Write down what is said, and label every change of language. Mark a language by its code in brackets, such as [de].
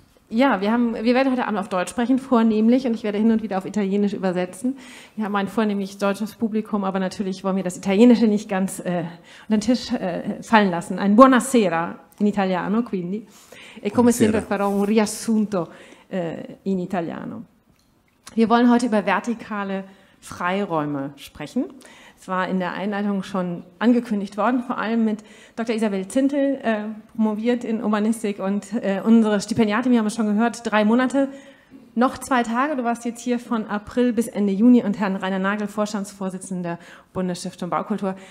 [de] Ja, wir werden heute Abend auf Deutsch sprechen, vornehmlich, und ich werde hin und wieder auf Italienisch übersetzen. Wir haben ein vornehmlich deutsches Publikum, aber natürlich wollen wir das Italienische nicht ganz unter den Tisch fallen lassen. [it] Ein Buonasera in Italiano, quindi. E come sempre farò un riassunto in Italiano. [de] Wir wollen heute über vertikale Freiräume sprechen. Es war in der Einleitung schon angekündigt worden, vor allem mit Dr. Isabel Zintel, promoviert in Urbanistik, und unsere Stipendiatin, wir haben es schon gehört, 3 Monate, noch 2 Tage. Du warst jetzt hier von April bis Ende Juni, und Herrn Rainer Nagel, Vorstandsvorsitzender der Bundesstiftung Baukultur.